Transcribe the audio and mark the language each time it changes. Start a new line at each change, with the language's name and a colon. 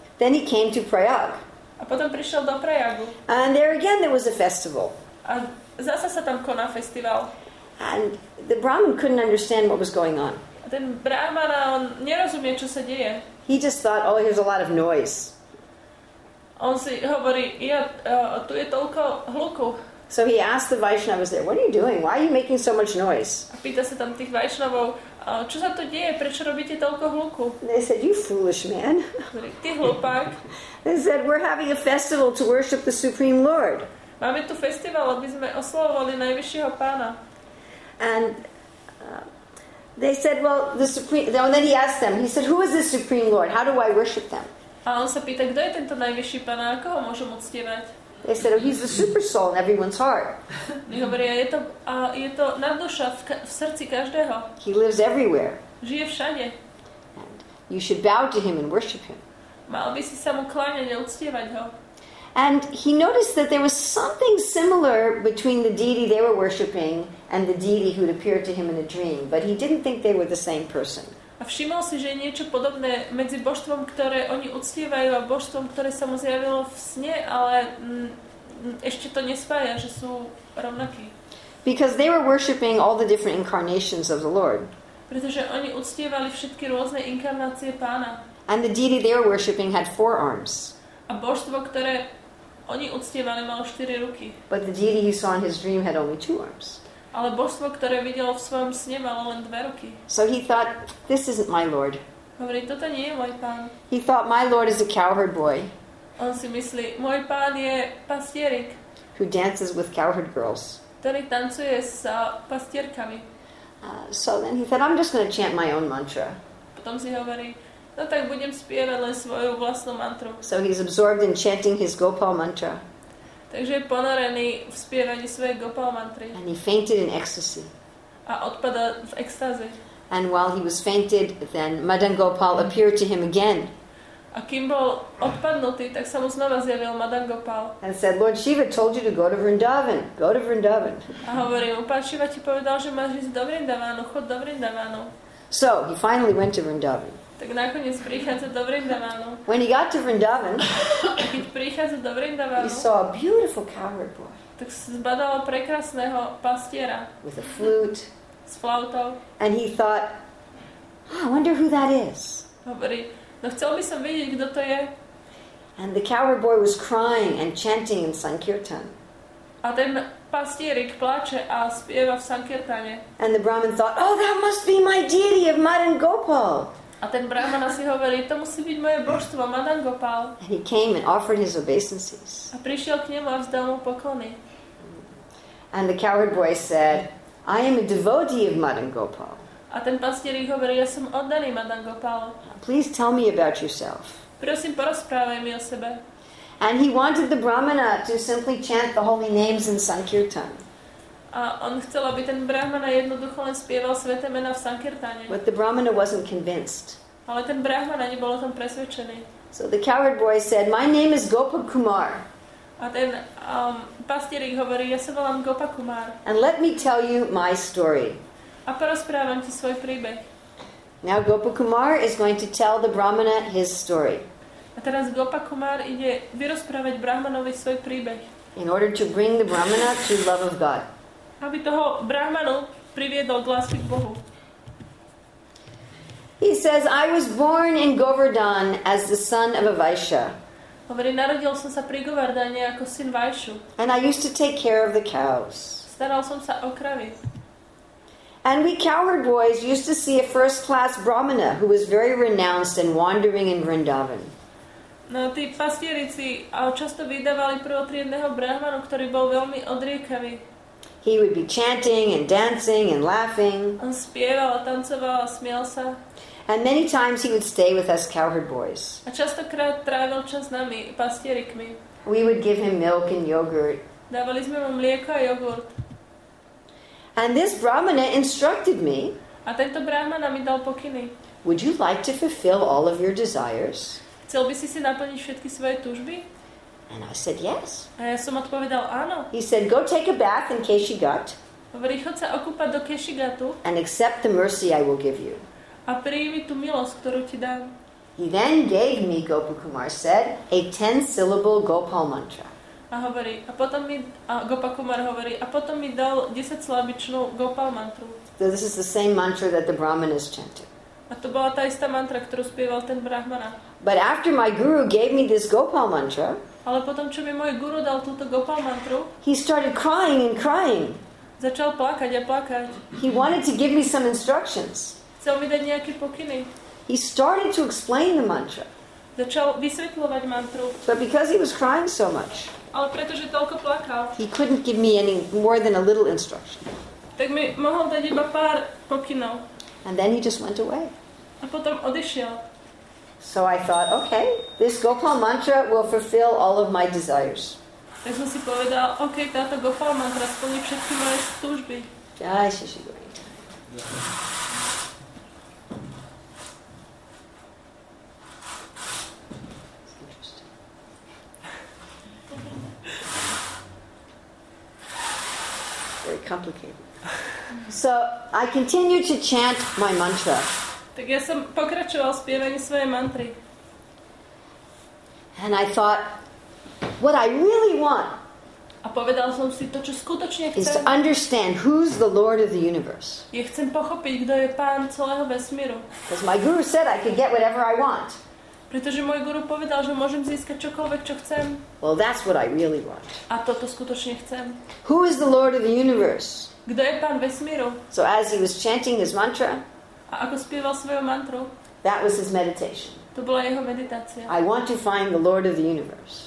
English: Then he came to Prayag.
Slovak: A potom prišiel do Prayagu.
English: And there again there was a festival.
Slovak: A zasa sa tam koná festival.
English: And the Brahmin couldn't understand what was going on.
Slovak: A ten Brahmana, on nerozumie, čo sa deje.
English: He just thought, oh, here's a lot of noise.
Slovak: On si hovorí, tu je toľko hluku.
English: So he asked the Vaishnavas there, what are you doing? Why are you making so much noise?
Slovak: A pýta sa tam tých Vaishnavov, čo sa to deje? Prečo robíte toľko hluku?
English: They said, you foolish man.
Slovak: Ty hlupák.
English: They said, we're having a festival to worship the Supreme Lord.
Slovak: Máme tu festival, aby sme oslavovali najvyššieho pána.
English: And they said, well, the Supreme... And then he asked them, he said, who is the Supreme Lord? How do I worship them?
Slovak: A on sa pýta, kto je tento najvyšší pán a koho môžem uctievať?
English: They said, oh, he's the super soul in everyone's heart.
Slovak: My hovoria, je to nadduša v srdci každého.
English: He lives everywhere.
Slovak: Žije všade.
English: And you should bow to him and worship him.
Slovak: Mal by si sa mu kláňať a uctievať ho.
English: And he noticed that there was something similar between the deity they were worshiping and the deity who had appeared to him in a dream, but he didn't think they were the same person.
Slovak: A všimol si, že je niečo podobné medzi božstvom, ktoré oni uctievajú, a božstvom, ktoré sa mu zjavilo v sne, ale ešte to nespája, že sú rovnakí.
English: Because they were worshiping all the different incarnations of the Lord.
Slovak: Pretože oni uctievali všetky rôzne inkarnácie pána.
English: And the deity they were worshiping had four arms.
Slovak: A božstvo, ktoré oni uctievali, malo 4 ruky.
English: But the deity he saw in his dream had only 2 arms.
Slovak: Ale božstvo, ktoré videl v svojom sne, malo len 2 ruky.
English: So he thought, this isn't my lord.
Slovak: Hovorí, toto nie je môj pán.
English: He thought, my lord is a cowherd boy.
Slovak: On si myslí, môj pán je pastierik.
English: Who dances with cowherd girls.
Slovak: Ktorý tancuje s pastierkami.
English: So then he said, I'm just going to chant my own mantra.
Slovak: Potom si hovorí, no tak budem spievať len svoju vlastnú mantru.
English: So he's absorbed in chanting his Gopal mantra.
Slovak: Takže je ponorený v spievaní svojej Gopal mantry.
English: And he fainted in ecstasy.
Slovak: A odpadá v extáze.
English: And while he was fainted, then Madan Gopal appeared to him again.
Slovak: A kým bol odpadnutý, tak sa mu znova zjavil Madan Gopal.
English: And said, Lord Shiva told you to go to Vrindavan. Go to Vrindavan.
Slovak: A hovorí mu, Pán Shiva ti povedal, že máš ísť do Vrindavanu. Chod do Vrindavanu.
English: So he finally went to Vrindavan.
Slovak: Tak nakoniec prichádza do Vrindavanu.
English: When he got to Vrindavan,
Slovak: keď prichádza do Vrindavanu,
English: he saw a beautiful cowherd boy.
Slovak: Tak zbadal prekrásneho pastiera.
English: With a flute.
Slovak: S flautou.
English: And he thought, oh, I wonder who that is.
Slovak: Hovorí, no chcel by som vidieť, kto to je.
English: And the cowherd boy was crying and chanting in Sankirtan.
Slovak: A ten pastierik plače a spieva v Sankirtane.
English: And the Brahmin thought, oh, that must be my deity of Madan Gopal.
Slovak: A ten brahmana si hovorí, to musí byť moje božstvo, Madan Gopal.
English: And he came and offered his obeisances.
Slovak: A prišiel k nemu a vzdal mu poklony.
English: And the cowherd boy said, I am a devotee of Madan Gopal.
Slovak: A ten pastierik hovorí, ja som oddaný Madan Gopal.
English: Please tell me about yourself.
Slovak: Prosím, porozprávaj mi o sebe.
English: And he wanted the brahmana to simply chant the holy names in Sankirtan.
Slovak: A on chcel, aby ten brahmana jednoducho len spieval sväté mená v Sankirtane.
English: But the brahmana wasn't convinced.
Slovak: Ale ten brahmana nebol o tom presvedčený.
English: So the cowherd boy said, my name is Gopakumar.
Slovak: A ten pastierik hovorí, ja sa volám Gopakumar.
English: And let me tell you my story.
Slovak: A porozprávam ti svoj príbeh.
English: Now Gopakumar is going to tell the brahmana his story.
Slovak: A teraz Gopakumar ide vyrozprávať brahmanovi svoj príbeh.
English: In order to bring the brahmana to love of God.
Slovak: Aby toho brahmanu priviedol k lásky k Bohu.
English: He says, I was born in Govardhan as the son of a Vaishya.
Slovak: Hovorí, narodil som sa pri Govardhane ako syn Vaishu.
English: And I used to take care of the cows.
Slovak: Staral som sa o kravy.
English: And we cowherd boys used to see a first class brahmana who was very renounced and wandering in Vrindavan.
Slovak: No, tí pastierici často vydávali prvotriedného brahmanu, ktorý bol veľmi odriekavý.
English: He would be chanting and dancing and laughing.
Slovak: On spieval, tancoval a smial sa.
English: And many times he would stay with us cowherd boys.
Slovak: A častokrát trávil čas s nami, pastierikmi.
English: We would give him milk and yogurt.
Slovak: Dávali sme mu mlieko a jogurt.
English: And this brahmana instructed me.
Slovak: A tento brahmana mi dal pokyny.
English: Would you like to fulfill all of your desires?
Slovak: Chcel by si si naplniť všetky svoje túžby?
English: And I said yes.
Slovak: A ja som odpovedal áno.
English: He said, go take a bath in Keshigat.
Slovak: Hovorí, choď sa okúpať do Keshigatu.
English: And accept the mercy I will give you.
Slovak: A prijmi tú milosť, ktorú ti dám.
English: He then gave me, Gopakumar said, a 10-syllable Gopal mantra.
Slovak: A hovorí, a potom mi, a Gopakumar hovorí, a potom mi dal 10-slabičnú Gopal mantru.
English: So this is the same mantra that the Brahmanas chanted.
Slovak: A to bola tá istá mantra, ktorú spieval ten Brahmana.
English: But after my guru gave me this Gopal mantra,
Slovak: ale potom, čo mi môj guru dal túto Gopal mantru,
English: he started crying and crying.
Slovak: Začal plakať a plakať.
English: He wanted to give me some instructions.
Slovak: Chcel mi dať nejaké pokyny.
English: He started to explain the mantra.
Slovak: Začal vysvetľovať mantru.
English: But because he was crying so much,
Slovak: ale pretože toľko plakal,
English: he couldn't give me any more than a little instruction.
Slovak: Tak mi mohol dať iba pár pokynov.
English: And then he just went away.
Slovak: A potom odišiel.
English: So I thought, okay, this Gopal mantra will fulfill all of my desires.
Slovak: Tak som si povedal, okay, táto Gopal mantra splní všetky moje túžby. Jaj, šeši, dobrý.
English: Very complicated. So I continued to chant my mantra.
Slovak: Tak ja som pokračoval spievaním svojej mantry.
English: And I thought, what I really want.
Slovak: A povedal som si to, čo skutočne chcem.
English: Is to understand who's the Lord of the universe.
Slovak: Ja chcem pochopiť, kto je pán celého vesmíru.
English: Because my guru said I could get whatever I want.
Slovak: Pretože môj guru povedal, že môžem získať čokoľvek, čo chcem.
English: Well, that's what I really want.
Slovak: A toto skutočne chcem.
English: Who is the Lord of the universe?
Slovak: Kto je pán vesmíru?
English: So as he was chanting his mantra,
Slovak: a ako spieval svoju mantru,
English: that was his meditation.
Slovak: To bola jeho meditácia.
English: I want to find the Lord of the universe.